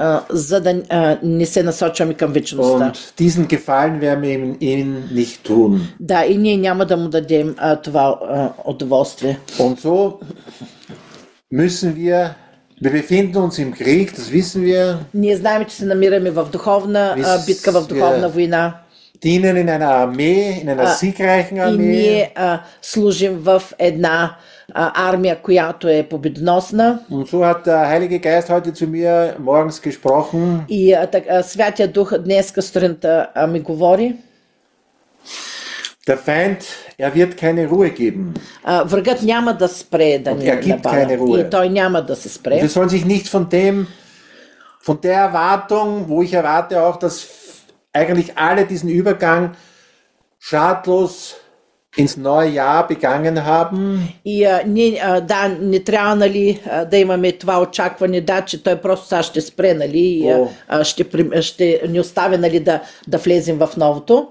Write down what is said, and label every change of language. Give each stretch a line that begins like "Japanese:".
Bulgarian: За да не се насочваме към вечността.
German: Und diesen Gefallen werden wir ihm nicht tun.
Bulgarian: Да, и ние няма да му дадем това удоволствие.
German: Und so müssen wir. Wir befinden uns im Krieg, das wissen wir.
Bulgarian: Ние знаем, че се намираме в духовна битка, в духовна война.
German: Dienen in einer Armee, in einer siegreichen Armee.
Bulgarian: И ние служим в една армия, която е победоносна.
German: Und so hat der Heilige Geist heute zu mir morgens gesprochen.
Bulgarian: И Святия Дух днеска сутринта ми говори.
German: Der Feind, er wird keine Ruhe geben.
Bulgarian: Врагът няма да спре да ни напада. И той няма да се спре.
German: Wir sollen sich nicht von dem, von der Erwartung, wo ich erwarte auch, dass eigentlich alle diesen Übergang schadlos ins neue Jahr begangen haben.
Bulgarian: И не трябва, нали, да имаме това очакване, да, че той просто сега ще спре, нали, ще ни остави, нали, да влезем в новото.